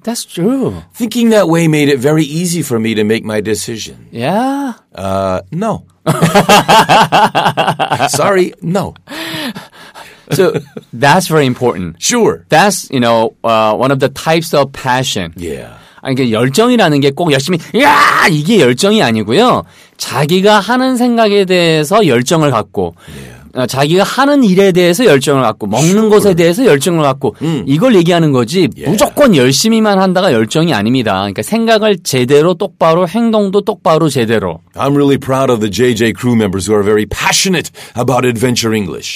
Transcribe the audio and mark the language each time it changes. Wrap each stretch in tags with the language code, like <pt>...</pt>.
<en>That's true. Thinking that way made it very easy for me to make my decision. Yeah? No. Sorry, no. So that's very important. Sure. That's, you know, one of the types of passion. Yeah.</en> <ko>아니, 열정이라는 게 꼭 열심히, 야! 이게 열정이 아니고요. 자기가 하는 생각에 대해서 열정을 갖고, yeah. 자기가 하는 일에 대해서 열정을 갖고, 먹는 것에 대해서 열정을 갖고, 이걸 얘기하는 거지, yeah. 무조건 열심히만 한다가 열정이 아닙니다. 그러니까 생각을 제대로 똑바로, 행동도 똑바로 제대로.</ko> <en>I'm really proud of the JJ crew members who are very passionate about adventure English.</en>